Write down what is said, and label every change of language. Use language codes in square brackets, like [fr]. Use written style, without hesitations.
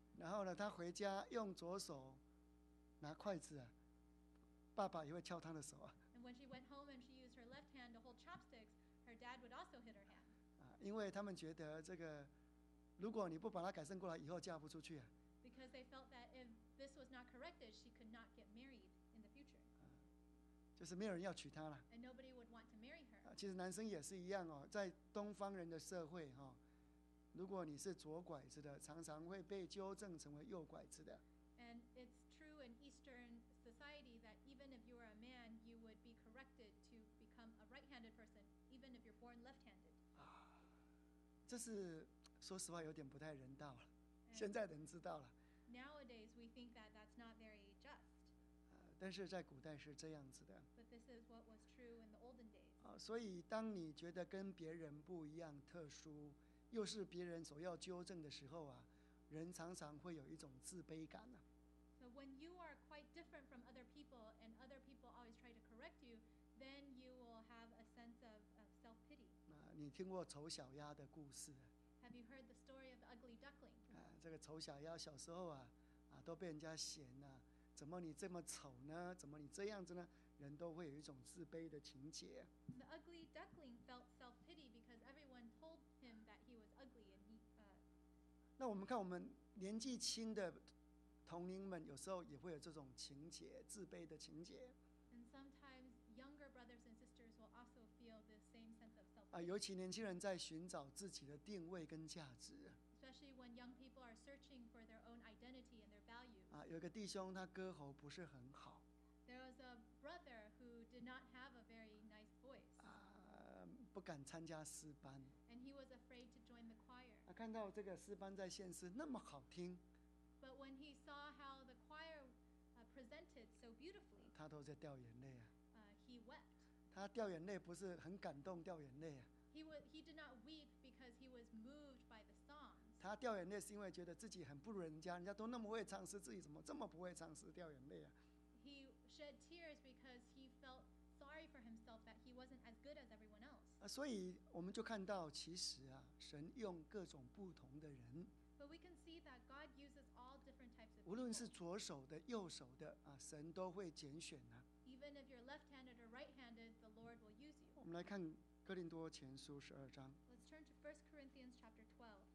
[zh] 然后呢，她回家用左手拿筷子啊，爸爸也会敲她的手啊。 [en] And when she went home and she used her left hand to hold chopsticks, her dad would also hit her hand. [zh] 啊，因为他们觉得这个，如果你不把她改正过来，以后嫁不出去啊。 [en] Because they felt that if this was not corrected, she could not get married in the future. [zh] 就是没有人要娶她了。 [en] And nobody would want to marry her. [zh] 其实男生也是一样哦，在东方人的社会哈、哦。如果你是左拐子的，常常会被纠正成为右拐子的。 [en] And it's true in Eastern society that even if you are a man, you would be corrected to become a right-handed person, even if you're born left-handed. [zh] 这是说实话有点不太人道了。现在人知道了。 [en] Nowadays, we think that that's not very just. [zh] 但是在古代是这样子的。 [en] But this is what was true in the olden days. [zh] 所以当你觉得跟别人不一样、特殊。又是别人所要纠正的时候啊，人常常会有一种自卑感呢、啊。 [en] So when you are quite different from other people, and other people always try to correct you, then you will have a sense of self-pity. [zh] 啊，你听过丑小鸭的故事 [en] ？Have you heard the story of the ugly duckling? [zh] 啊，这个丑小鸭小时候啊，啊都被人家嫌呐、啊，怎么你这么丑呢？怎么你这样子呢？人都会有一种自卑的情节。 [en] The ugly duckling felt self-pity because everyone told him that he was ugly, and he. [zh] 那我们看我们年纪轻的同龄们，有时候也会有这种情节，自卑的情节。 [en] And sometimes younger brothers and sisters will also feel the same sense of self-pity. [zh] 啊，尤其年轻人在寻找自己的定位跟价值。 [en] Especially when young people are searching for their own identity and their value. [zh] 啊，有个弟兄他歌喉不是很好。 [en] There was a brother who did not have a very nice voice. [zh] 不敢参加诗班。 [en] And he was afraid to join the choir. [zh] 看到这个诗班在现世那么好听。 [en] But when he saw how the choir presented so beautifully, [zh] 他都在掉眼泪啊。 [en] He wept. [zh] 他掉眼泪不是很感动掉眼泪啊。 [en] He did not weep because he was moved by the songs. [zh] 他掉眼泪是因为觉得自己很不如人家，人家都那么会唱诗，自己怎么这么不会唱诗，掉眼泪啊。 [en] He shed tears because he felt sorry for himself that he wasn't as good as everyone else. [zh] 所以我们就看到，其实啊，神用各种不同的人。 [en] But we can see that God uses all different types of people. [zh] 无论是左手的、右手的啊，神都会拣选呢、啊。 [en] Even if you're left-handed or right-handed, the Lord will use you. [zh] 我们来看哥林多前书十二章。 [en] Let's turn to 1 Corinthians chapter 12.